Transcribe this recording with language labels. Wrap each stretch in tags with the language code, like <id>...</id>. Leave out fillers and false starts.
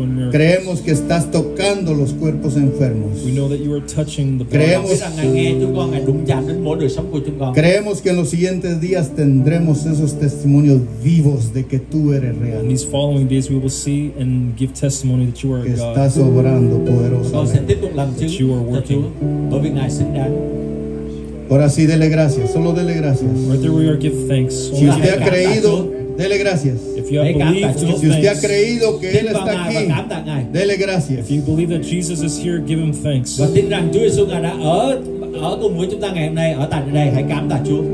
<es>Creemos que estás tocando los cuerpos enfermos. Creemos que en los siguientes días tendremos esos testimonios vivos de que tú eres real.</es> <en>These following days we will see and give testimony that you are</en> <es>God. Estás obrando poderoso.</es> <vi>Con sẽ tiếp tục làm chứng cho</vi> <es>Chúa. Ahora sí, dele gracias. Solo dele gracias.</es> <en>Right there we are, give thanks.</en> <es>Si usted ha creído, dele gracias.</es> <en>If you have believed,</en> <es>si usted ha creído que Él está aquí, dele gracias.</es> <en>If you believe that Jesus is here, give Him thanks.</en> <vi>Và tin rằng Chúa Giêsu đã ở cùng với chúng ta ngày hôm nay, ở tại đây, hãy cảm tạ Chúa.</vi>